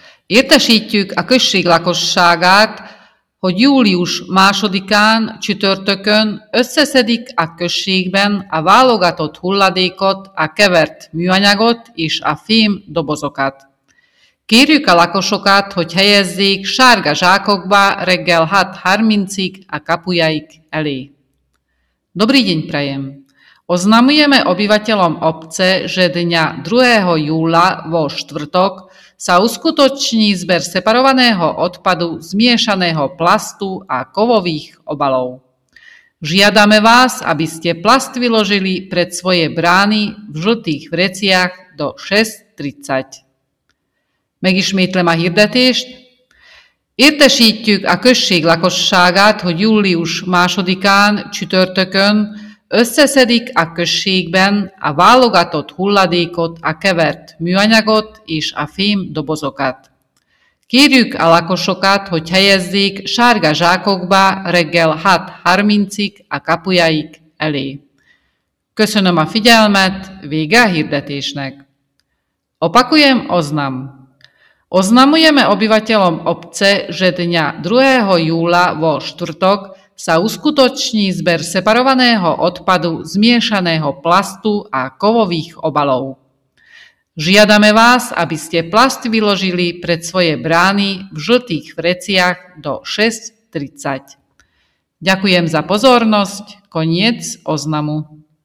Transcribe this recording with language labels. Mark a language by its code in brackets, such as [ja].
[hu] Értesítjük a község lakosságát, hogy július 2-án csütörtökön összeszedik a községben a válogatott hulladékot, a kevert műanyagot és a fém dobozokat. Kérjük a lakosokat, hogy helyezzék sárga zsákokba reggel 6:30-ig a kapujaik elé. [sk] Dobrý deň prajem! Oznamujeme obyvateľom obce, že dňa 2. júla vo štvrtok sa uskutoční zber separovaného odpadu zmiešaného plastu a kovových obalov. Žiadame vás, aby ste plast vyložili pred svoje brány v žltých vreciach do 6:30. [hu] Megismétlem a hirdetést. Értesítjük a község lakosságát, hogy július 2-án csütörtökön összeszedik a községben a válogatott hulladékot, a kevert műanyagot és a fém dobozokat. Kérjük a lakosokat, hogy helyezzék sárga zsákokba reggel 6:30-ig a kapujaik elé. Köszönöm a figyelmet, vége a hirdetésnek. [sk] Opakujem oznam. Oznamujeme obyvateľom obce, že dňa 2. júla vo štvrtok sa uskutoční zber separovaného odpadu zmiešaného plastu a kovových obalov. Žiadame vás, aby ste plast vyložili pred svoje brány v žltých vreciach do 6:30. Ďakujem za pozornosť. Koniec oznamu.